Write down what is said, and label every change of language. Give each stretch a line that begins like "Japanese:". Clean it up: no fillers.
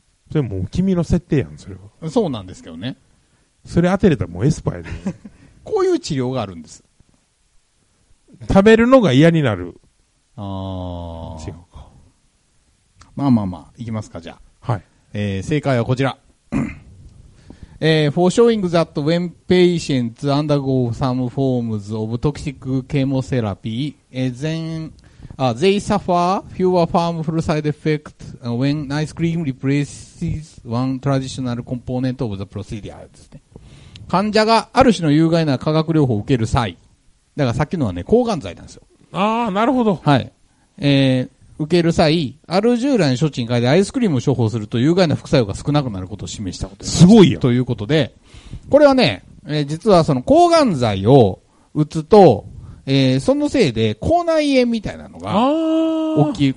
Japanese: それもう君の設定やん、それは。そうなんですけどね。それ当てれたらもうエスパーやで。こういう治療があるんです。食べるのが嫌になる。ああ。違うか。まあまあまあ、いきますか、じゃあ。はい。正解はこちら。
English: for showing that when patients undergo some forms of toxic chemotherapy, they suffer fewer harmful side effects when ice cream replaces one traditional component of the procedure
Japanese: ですね。患者がある種の有害な化学療法を受ける際、だからさっきのはね、抗がん剤なんですよ。ああ、なるほど。はい。受ける際、ある従来の処置に変えてアイスクリームを処方すると有害な副作用が少なくなることを示したことです。すごいよ。ということで、これはね、実はその抗がん剤を打つと、そのせいで口内炎みたいなのが起き、